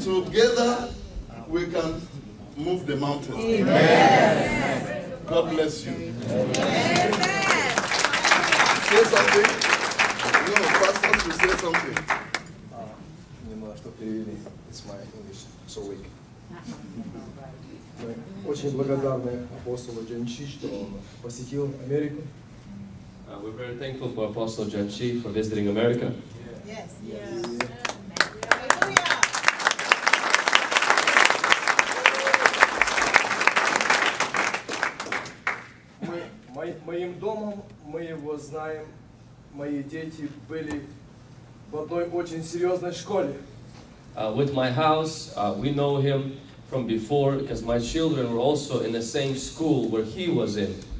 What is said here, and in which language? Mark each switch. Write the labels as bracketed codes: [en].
[en] Together we can move the mountain. Amen. God bless you. Amen. Say something. No, Pastor, to say something. You know, after praying, it's my English so weak. [ru] Очень благодарны апостолу Джанчи, что посетил Америку. [en] We're very thankful for Apostle Janchi for visiting America. Yes. [ru] Моим домом мы его знаем. Мои дети были в одной очень серьезной школе. [en] With my house, we know him from before, because my children were also in the same school where he was in.